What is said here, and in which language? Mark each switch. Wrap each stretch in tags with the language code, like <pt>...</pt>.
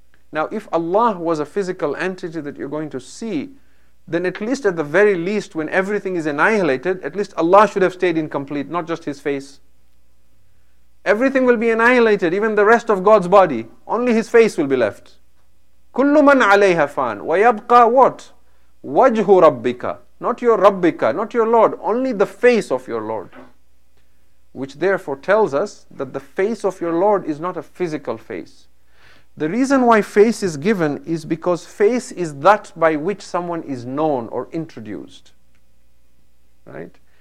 <en>Now, if Allah was a physical entity that you're going to see, then at least at the very least, when everything is annihilated, at least Allah should have stayed incomplete, not just His face. Everything will be annihilated, even the rest of God's body. Only His face will be left.</en> <ar>كُلُّ مَنْ عَلَيْهَا فَانْ وَيَبْقَى</ar> <en>what?</en> <ar>وَجْهُ رَبِّكَ.</ar> <en>Not your Rabbika, not your Lord, only the face of your Lord. Which therefore tells us that the face of your Lord is not a physical face. The reason why face is given is because face is that by which someone is known or introduced. Right?</en>